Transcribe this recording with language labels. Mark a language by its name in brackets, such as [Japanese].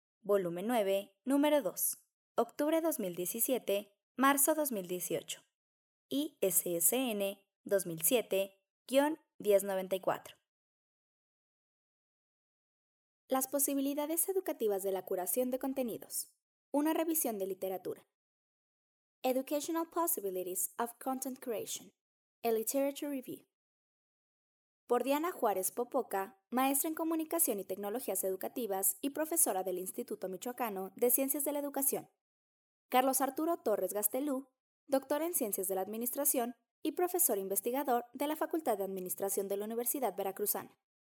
[Spanish] Volumen 9, número 2. Octubre 2017, marzo 2018. ISSN 2007-1094. Las posibilidades educativas de la curación de contenidos. Una revisión de literatura. [English] Educational Possibilities of Content Creation. A Literature Review. [Spanish] Por Diana Juárez Popoca, maestra en Comunicación y Tecnologías Educativas y profesora del Instituto Michoacano de Ciencias de la Educación. Carlos Arturo Torres Gastelú, doctor en Ciencias de la Administración y profesor investigador de la Facultad de Administración de la Universidad Veracruzana.